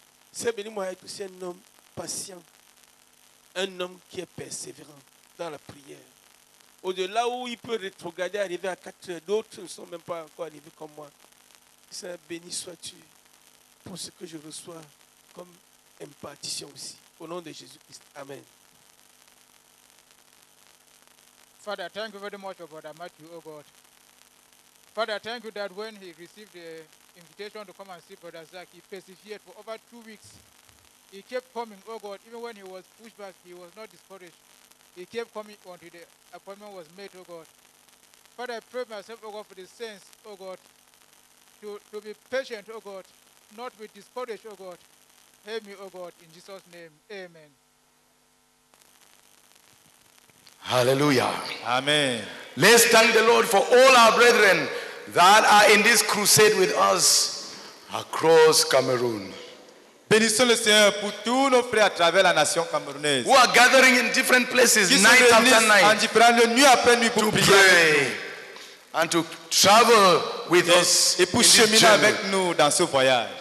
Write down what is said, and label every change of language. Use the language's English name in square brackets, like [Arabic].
[French] C'est béni, moi, être aussi un homme patient, un homme qui est persévérant dans la prière. Au-delà où il peut rétrograder, arriver à 4 heures, d'autres ne sont même pas encore arrivés comme moi. C'est béni, sois-tu, pour ce que je reçois comme impartition aussi. Au nom de Jésus-Christ, amen. [English] Father, thank you very much, Brother Matthew, oh God. Father, thank you that when he received the invitation to come and see Brother Zach, he persevered for over 2 weeks. He kept coming, oh God, even when he was pushed back, he was not discouraged. He kept coming until the appointment was made, oh God. Father, I pray myself, oh God, for the saints, oh God, to be patient, oh God, not be discouraged, oh God. Help me, oh God, in Jesus' name, amen. Hallelujah. Amen. Let's thank the Lord for all our brethren that are in this crusade with us across Cameroon. [French] Bénissons le Seigneur pour tous nos frères à travers la nation camerounaise. [English] Who are gathering in different places night after night. [French] En différents lieux, nuit après nuit, pour prier. [English] And to travel with us. [French] Et pour cheminer avec nous dans ce voyage.